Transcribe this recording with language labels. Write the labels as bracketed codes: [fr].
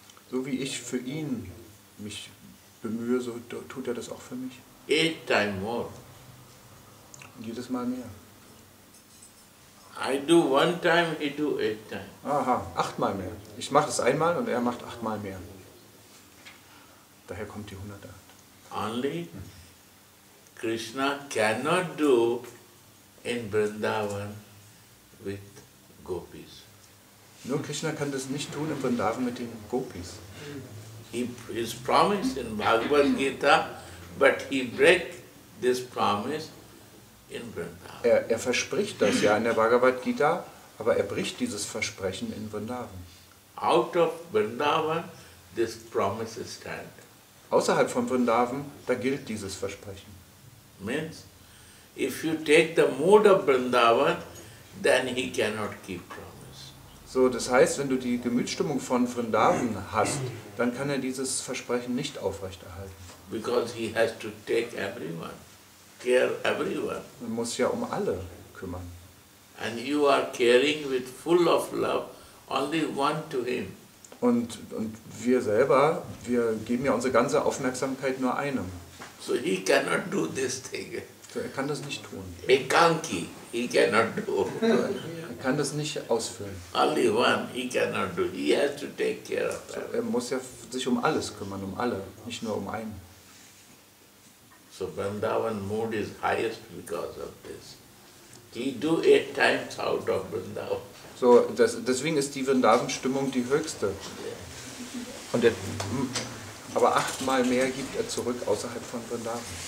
[de] So wie ich für ihn mich bemühe, so tut er das auch für mich. [en] 8 times more. [de] Jedes Mal mehr. [en] I do 1 time, he do 8 times. [de] Aha, 8 Mal mehr. Ich mache das einmal und er macht 8 Mal mehr. Daher kommt die 108. [en] Only Krishna cannot do in Vrindavan with gopis. [de] Nur Krishna kann das nicht tun im Vrindavan mit den Gopis. [en] He is promised in Bhagavad Gita, but he break this promise in Vrindavan. [de] Er verspricht das ja in der Bhagavad Gita, aber er bricht dieses Versprechen in Vrindavan. [en] Out of Vrindavan, this promise stand. [de] Außerhalb von Vrindavan, da gilt dieses Versprechen. [en] Means, if you take the mood of Vrindavan, then he cannot keep promise. [de] So, das heißt, wenn du die Gemütsstimmung von Vrindavan hast, dann kann er dieses Versprechen nicht aufrechterhalten. [en] Because he has to take everyone, care everyone. [de] Er muss ja um alle kümmern. [en] And you are caring with full of love, only one to him. [de] Und wir selber, wir geben ja unsere ganze Aufmerksamkeit nur einem. [en] So he cannot do this thing. [de] So, er kann das nicht tun. [en] A kanki, he cannot do. [de] Er kann das nicht ausfüllen. [en] Only one, he cannot do. He has to take care of that. [de] So, er muss ja sich um alles kümmern, um alle, nicht nur um einen. [en] So Vrindavan mood is highest because of this. He do 8 times out of Vrindavan. [de] So deswegen ist die Vrindavan-Stimmung die höchste. [en] Yeah. [de] Und aber 8 Mal mehr gibt er zurück außerhalb von Vrindavan.